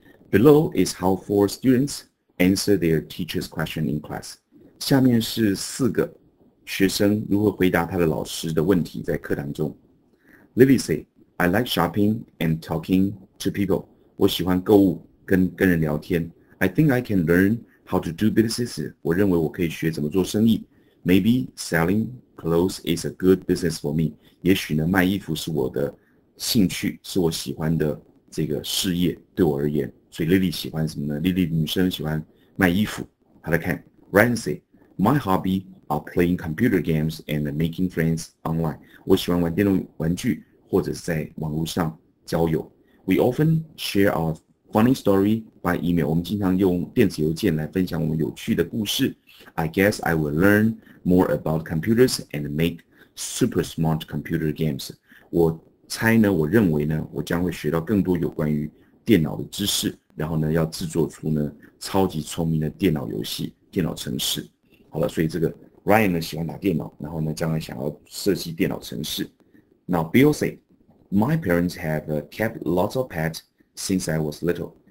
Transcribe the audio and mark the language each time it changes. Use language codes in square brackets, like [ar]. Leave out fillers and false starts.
[en] Below is how four students answer their teacher's question in class。 [zh] 下面是四个学生如何回答他的老师的问题在课堂中。 [en] Lily say, "I like shopping and talking to people." [zh] 我喜欢购物跟人聊天。 [en] I think I can learn how to do business。 [zh] 我认为我可以学怎么做生意。 [en] Maybe selling clothes is a good business for me。 [zh] 也许呢，卖衣服是我的兴趣，是我喜欢的这个事业，对我而言。所以 Lily 喜欢什么呢？Lily 女生喜欢卖衣服。她来看 [en] Ryan say, "My hobby are playing computer games and making friends online." [zh] 我喜欢玩电动玩具，或者是在网络上交友。 [en] We often share our funny story by email. [zh] 我们经常用电子邮件来分享我们有趣的故事。 [en] I guess I will learn more about computers and make super smart computer games. [zh] 我猜呢，我认为呢，我将会学到更多有关于电脑的知识，然后呢，要制作出呢超级聪明的电脑游戏、电脑程式。好了，所以这个 Ryan 呢喜欢打电脑，然后呢将来想要设计电脑程式。 [en] Now Bill say, "My parents have kept lots of pets since I was little."